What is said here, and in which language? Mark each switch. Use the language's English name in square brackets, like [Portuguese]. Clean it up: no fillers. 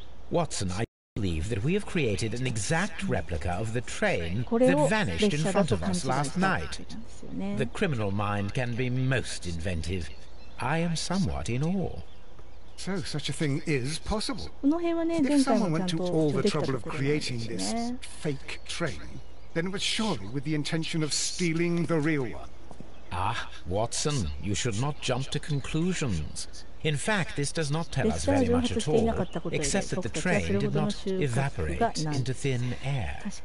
[English] Watson, I believe that we have created an exact replica of the train that vanished in front of us last night. The criminal mind can be most inventive. I am somewhat in awe. So, such a thing is possible. [Japanese] この辺はね、前回もちゃんと出てきたところなんですよね。 [English] Of creating this fake train, then it was surely with the intention of stealing the real one. Ah, Watson, you should not jump to conclusions. In fact, this does not tell us very much at all, except that the train did not evaporate into thin air.